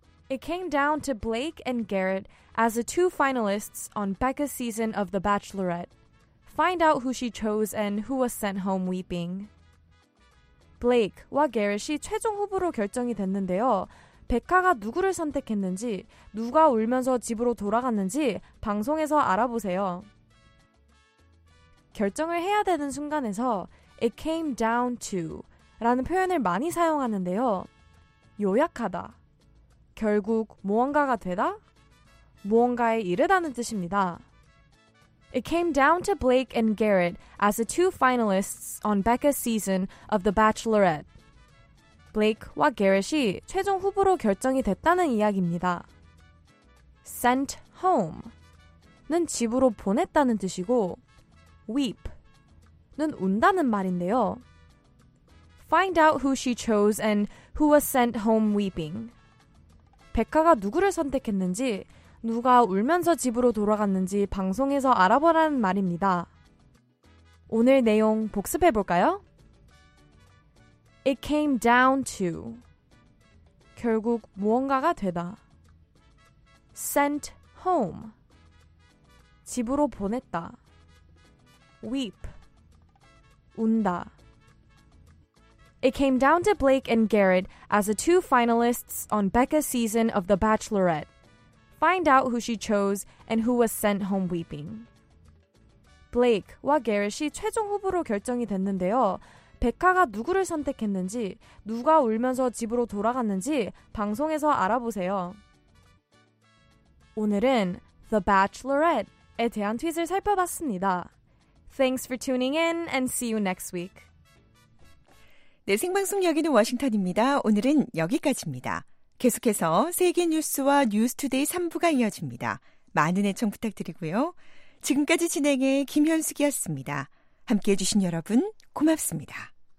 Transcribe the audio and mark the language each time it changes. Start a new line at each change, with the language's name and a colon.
English: It came down to Blake and Garrett as the two finalists on Becca's season of The Bachelorette. Find out who she chose and who was sent home weeping.
Korean: Blake와 Garrett이 최종 후보로 결정이 됐는데요. 백화가 누구를 선택했는지, 누가 울면서 집으로 돌아갔는지 방송에서 알아보세요. 결정을 해야 되는 순간에서
English: It came down to
Korean: 라는 표현을 많이 사용하는데요. 요약하다, 결국 무언가가 되다, 무언가에 이르다는 뜻입니다.
English: It came down to Blake and Garrett as the two finalists on Becca's season of The Bachelorette.
Korean: Blake와 Garrett이 최종 후보로 결정이 됐다는 이야기입니다.
English: Sent home
Korean: 는 집으로 보냈다는 뜻이고 weep는 운다는 말인데요.
English: Find out who she chose and who was sent home weeping.
Korean: 백화가 누구를 선택했는지 누가 울면서 집으로 돌아갔는지 방송에서 알아보라는 말입니다. 오늘 내용 복습해 볼까요?
English: It came down to
Korean: 결국 무언가가 되다.
English: Sent home
Korean: 집으로 보냈다. Weep 운다.
English: It came down to Blake and Garrett as the two finalists on Becca's season of The Bachelorette. Find out who she chose and who was sent home weeping.
Korean: Blake와 Garrett이 최종 후보로 결정이 됐는데요. 백화가 누구를 선택했는지, 누가 울면서 집으로 돌아갔는지 방송에서 알아보세요. 오늘은 The Bachelorette에 대한 트윗을 살펴봤습니다.
English: Thanks for tuning in and see you next week.
Korean: 네, 생방송 여기는 워싱턴입니다. 오늘은 여기까지입니다. 계속해서 세계 뉴스와 뉴스투데이 3부가 이어집니다. 많은 애청 부탁드리고요. 지금까지 진행해 김현숙이었습니다. 함께해 주신 여러분 고맙습니다.